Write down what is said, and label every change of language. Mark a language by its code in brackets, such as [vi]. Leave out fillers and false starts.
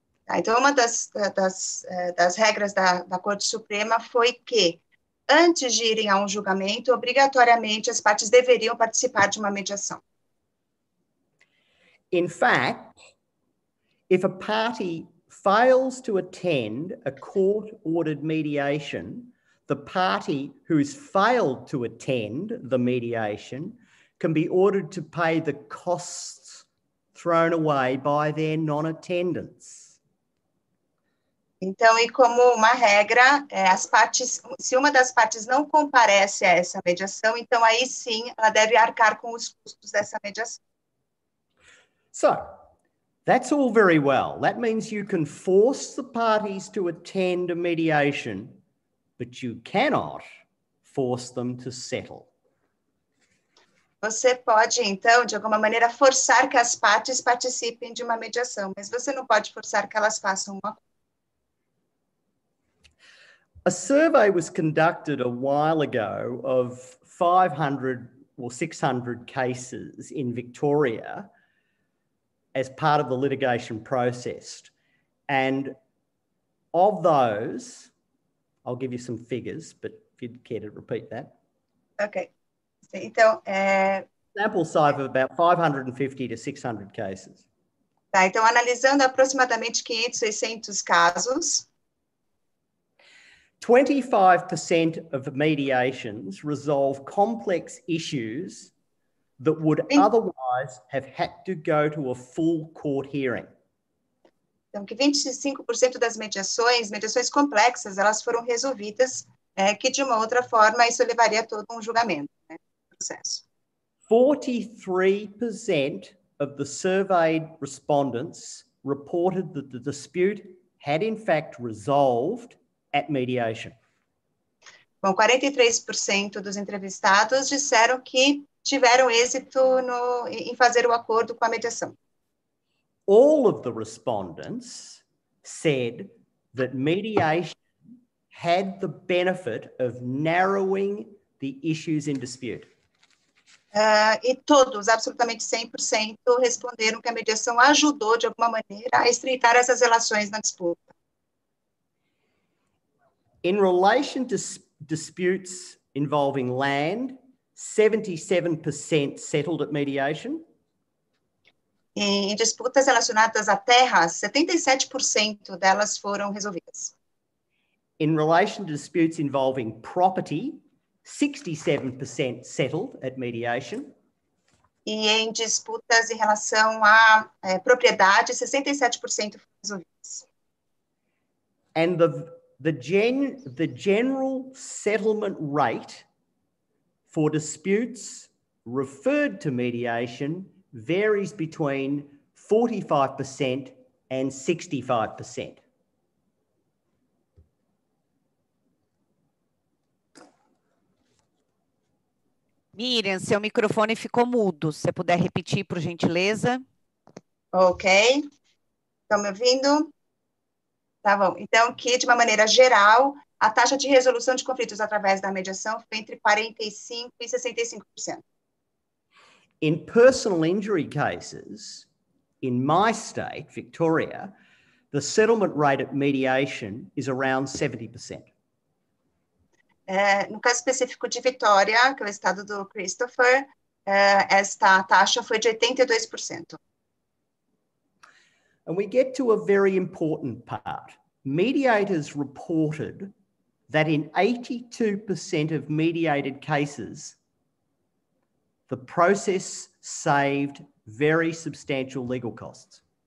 [pt] Então, uma das regras da Corte Suprema foi que, antes de irem a julgamento, obrigatoriamente as partes deveriam participar de uma mediação. [en] In fact, if a party fails to attend a court-ordered mediation, the party who's failed to attend the mediation can be ordered to pay the costs thrown away by their non-attendance. [pt] Então, e como uma regra, se uma das partes não comparece a essa mediação, então aí sim ela deve arcar com os custos dessa mediação. [en] So, that's all very well. That means you can force the parties to attend a mediation, but you cannot force them to settle. [pt] Você pode, então, de alguma maneira, forçar que as partes participem de uma mediação, mas você não pode forçar que elas façam uma. [en] A survey was conducted a while ago of 500 or 600 cases in Victoria as part of the litigation process. And of those, I'll give you some figures, but if you'd care to repeat that. [pt] Okay. Então, [en] sample size of about 550 to 600 cases. [pt] Tá, então, analisando aproximadamente 500, 600 casos. [en] 25% of mediations resolve complex issues that would otherwise have had to go to a full court hearing. [pt] Então, que 25% das mediações complexas, elas foram resolvidas, né, que de uma outra forma isso levaria a todo um julgamento, né, processo. [en] 43% of the surveyed respondents reported that the dispute had in fact resolved at mediation. [pt] Bom, 43% dos entrevistados disseram que tiveram êxito no, em fazer o acordo com a mediação. [en] All of the respondents said that mediation had the benefit of narrowing the issues in dispute. [pt] E todos, absolutamente 100%, responderam que a mediação ajudou de alguma maneira a estreitar essas relações na disputa. [en] In relation to disputes involving land, 77% settled at mediation. [pt] Em disputas relacionadas à terra, 77% delas foram resolvidas. [en] In relation to disputes involving property, 67% settled at mediation. [pt] E em disputas em relação à propriedade, 67% foram resolvidas. [en] And the general settlement rate for disputes referred to mediation varies between 45% and 65%. [pt] Miriam, seu microfone ficou mudo. Se você puder repetir, por gentileza. Ok. Estão me ouvindo? Tá bom. Então, aqui, de uma maneira geral, a taxa de resolução de conflitos através da mediação foi entre 45% e 65%. [en] In personal injury cases, in my state, Victoria, the settlement rate at mediation is around 70%. [pt] No caso específico de Vitória, que é o estado do Christopher, esta taxa foi de 82%. [en] And we get to a very important part. Mediators reported that in 82% of mediated cases, the process saved very substantial legal costs.